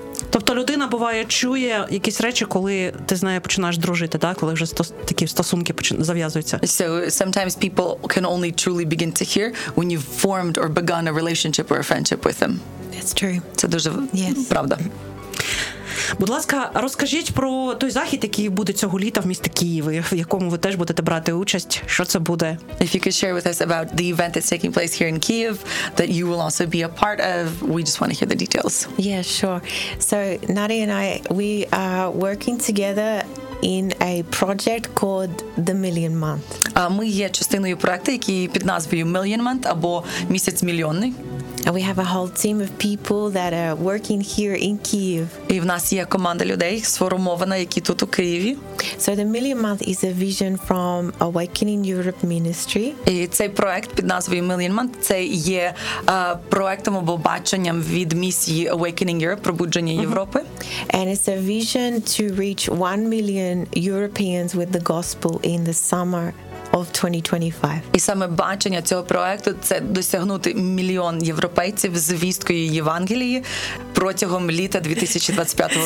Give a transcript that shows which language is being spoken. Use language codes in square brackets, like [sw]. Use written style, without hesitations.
[uk] Тобто людина буває чує якісь речі, коли ти з нею починаєш дружити, так? Коли вже такі стосунки зав'язуються. [en] So sometimes people can only truly begin to hear when you've formed or begun a relationship or a friendship with them. That's true. [uk] Це дуже правда. Будь ласка, розкажіть про той захід, який буде цього літа в місті Києві, в якому ви теж будете брати участь. Що це буде? [en] If you could share with us about the event that's taking place here in Kyiv that you will also be a part of, we just want to hear the details. Yeah, sure. So, Nadia and I, we are working together in a project called The Million Month. [uk] Ми є частиною проекту, який під назвою Million Month або місяць мільйонний. [en] And we have a whole team of people that are working here in Kyiv. [uk] І в нас є команда людей, сформована, які тут у Києві. [en] So the Million Month is a vision from Awakening Europe Ministry. [uk] І цей проект під назвою Million Month, це є проектом або баченням від місії Awakening Europe, пробудження Європи. [en] And it's a vision to reach 1 million Europeans with the gospel in the summer of 2025. [uk] І саме бачення цього проекту це досягнути мільйон європейців з звісткою Євангелії протягом літа 2025 року.